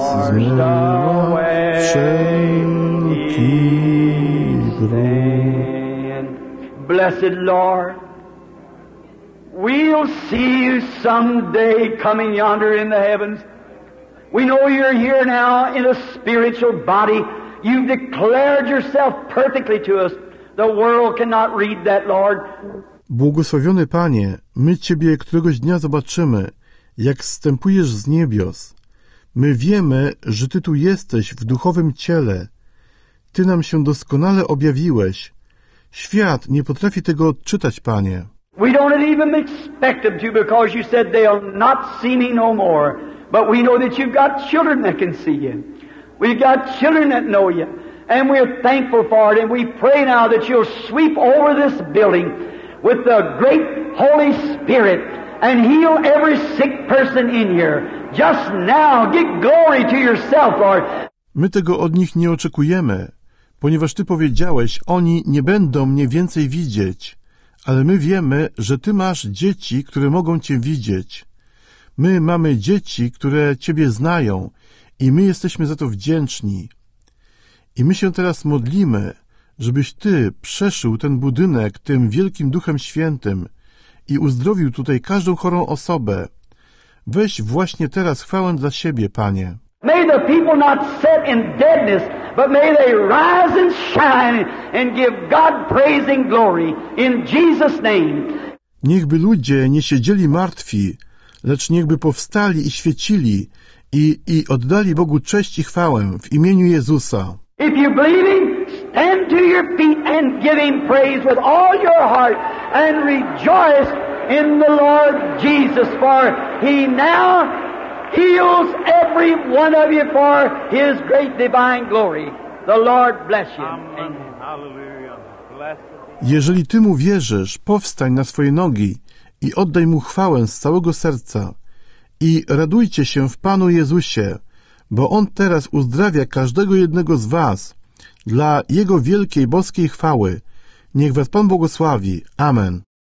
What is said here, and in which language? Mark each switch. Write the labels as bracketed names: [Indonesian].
[Polish] nas zmyła wszelki grunt. [English] Blessed Lord, we'll see you someday coming yonder in the heavens. We know you're here now in a spiritual body. You've declared yourself perfectly to us. The world cannot read that, Lord. [Polish] Błogosławiony Panie, my Ciebie któregoś dnia zobaczymy, jak zstępujesz z niebios. My wiemy, że Ty tu jesteś w duchowym ciele. Ty nam się doskonale objawiłeś. Świat nie potrafi tego odczytać, Panie. [English] We don't even expect them to, because you said they'll not see me no more. But we know that you've got children that can see you. We've got children that know you. And we're thankful for it. And we pray now that you'll sweep over this building with the great Holy Spirit and heal every sick person in here. Just now, get glory to yourself, Lord. [Polish] My tego od nich nie oczekujemy, ponieważ Ty powiedziałeś, oni nie będą mnie więcej widzieć. Ale my wiemy, że Ty masz dzieci, które mogą Cię widzieć. My mamy dzieci, które Ciebie znają i my jesteśmy za to wdzięczni. I my się teraz modlimy, żebyś Ty przeszył ten budynek tym wielkim Duchem Świętym i uzdrowił tutaj każdą chorą osobę. Weź właśnie teraz chwałę dla siebie, Panie. [English] May the people not sit in deadness, but may they rise and shine and give God praise and glory in Jesus' name. [Polish] Niechby ludzie nie siedzieli martwi, lecz niechby powstali i świecili i oddali Bogu cześć i chwałę w imieniu Jezusa. [English] If you believe him, stand to your feet and give him praise with all your heart and rejoice in the Lord Jesus, for he now heals every one of you for his great divine glory. The Lord bless you. Amen. Hallelujah. Bless you. [Polish] Jeżeli ty mu wierzysz, powstań na swoje nogi i oddaj mu chwałę z całego serca. I radujcie się w Panu Jezusie, bo on teraz uzdrawia każdego jednego z was dla jego wielkiej boskiej chwały. Niech was Pan błogosławi. Amen.